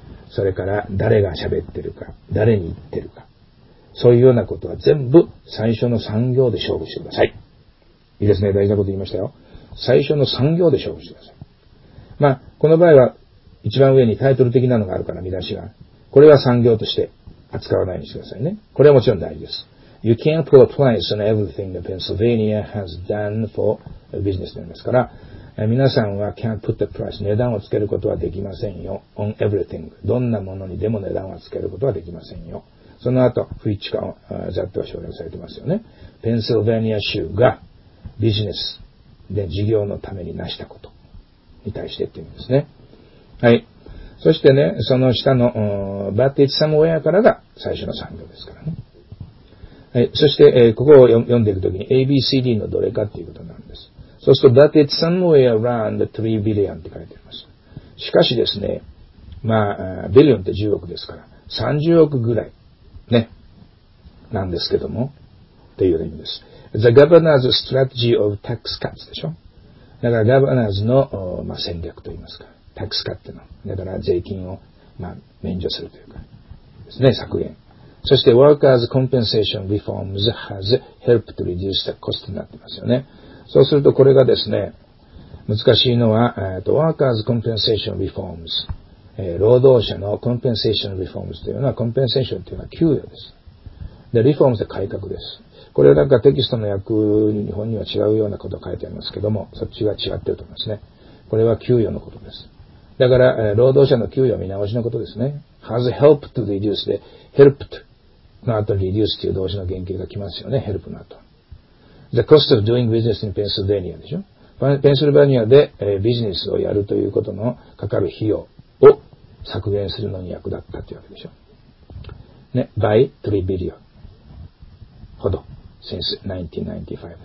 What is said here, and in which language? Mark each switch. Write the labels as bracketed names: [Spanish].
[Japanese] それから、誰が喋ってるか、誰に言ってるか。そういうようなことは全部、最初の3行で勝負してください。いいですね。大事なこと言いましたよ。最初の3行で勝負してください。まあ、この場合は、一番上にタイトル的なのがあるから、見出しが。これは3行として扱わないようにしてくださいね。これはもちろん大事です。 [English] You can't put a price on everything that Pennsylvania has done for business [Japanese] なんですから、皆さんは [English] can't put a price、 [Japanese] 値段をつけることはできませんよ。 [English] on everything、 [Japanese] どんなものにでも値段をつけることはできませんよ。その後 which か that は省略されてますよね。Pennsylvania 州がビジネスで事業のために成したことに対してっていうんですね。はい。そしてね、その下の [English] but it's somewhere [Japanese] からが最初の産業ですからね。はい。そして、ここを読んでいくときに、ABCD のどれかっていうことなんです。そうすると、 [English] that it's somewhere around 3 billion [Japanese] って書いてあります。しかしですね、まあ、ビリオンって10億ですから、30億ぐらい、ね、なんですけども、という意味です。 [English] The governor's strategy of tax cuts [Japanese] でしょ？だから、governor's の、まあ、戦略といいますか、tax cut っていうの。だから、税金を、まあ、免除するというか、ですね、削減。 [English] そして、workers' compensation reforms has helped to reduce the cost [Japanese] になってますよね。そうすると、これがですね、難しいのは、 [English] workers' compensation reforms、 [Japanese] 労働者の [English] compensation reforms [Japanese] というのは、compensation というのは給与です。で、reforms は改革です。これはなんかテキストの訳に日本には違うようなことが書いてありますけども、そっちが違っていると思いますね。これは給与のことです。だから、労働者の給与見直しのことですね。 [English] has helped to reduce [Japanese] で、helped の後に reduce という動詞の原型が来ますよね。 help の後。 [English] the cost of doing business in Pennsylvania でしょ。 [Japanese] ペンシルバニアで、ビジネスをやるということのかかる費用を削減するのに役立ったというわけでしょ。ね、 [English] by 3 billion [Japanese] ほど、 [English] since 1995 [Japanese] で。